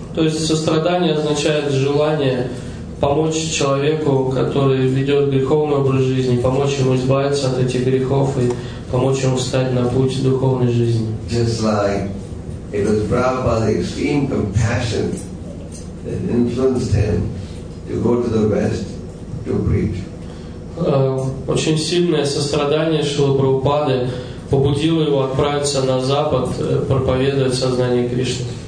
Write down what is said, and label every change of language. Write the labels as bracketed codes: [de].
[ru] То есть сострадание означает желание помочь человеку, который ведет греховный образ жизни, помочь ему избавиться от этих грехов и помочь ему встать на путь духовной жизни. [en] Just like it was Prabhupada's extreme compassion that influenced him to go to the West to preach. [ru] Очень сильное сострадание Шрилы Прабхупады побудило его отправиться на Запад проповедовать сознание Кришны.